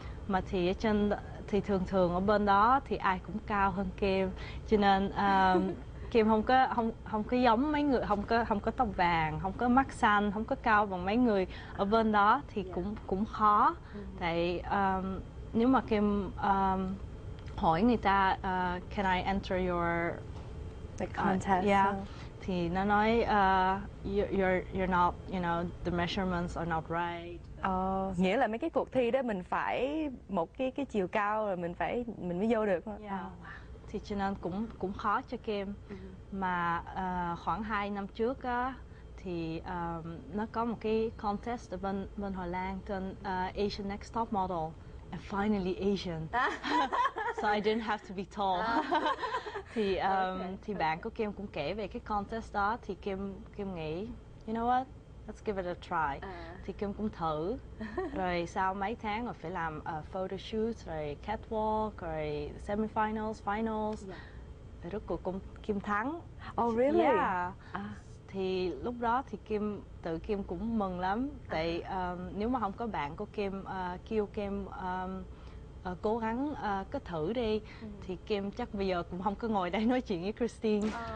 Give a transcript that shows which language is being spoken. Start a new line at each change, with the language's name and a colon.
Vietnamese: Mà thì ở trên thì thường thường ở bên đó thì ai cũng cao hơn Kim, cho nên Kim không có giống mấy người, không có tóc vàng, không có mắt xanh, không có cao bằng mấy người ở bên đó, thì cũng khó. Tại nếu mà Kim hỏi người ta
English: can I enter your contest, yeah,
Vietnamese: thì nó nói
English: you're not, you know, the measurements are not right.
Vietnamese: Nghĩa là mấy cái cuộc thi đó mình phải một cái chiều cao rồi mình mới vô được. Thì cho nên cũng khó cho Kim. Mà khoảng 2 năm trước thì nó có một cái contest ở bên Hà Lan tên Asian Next Top Model.
English: And finally Asian. So I didn't have to be tall.
Vietnamese: Thì bạn của Kim cũng kể về cái contest đó. Thì Kim nghĩ,
English: you know what, let's give it a try.
Vietnamese: Thì Kim cũng thử. Rồi sau mấy tháng rồi phải làm photo shoot, rồi catwalk, rồi semifinals, finals. Rồi rốt cuộc Kim thắng.
English: Oh really? Yeah.
Vietnamese: Thì lúc đó thì Kim cũng mừng lắm. Tại nếu mà không có bạn của Kim kêu Kim cố gắng cứ thử đi, thì Kim chắc bây giờ cũng không có ngồi đây nói chuyện với Kristine.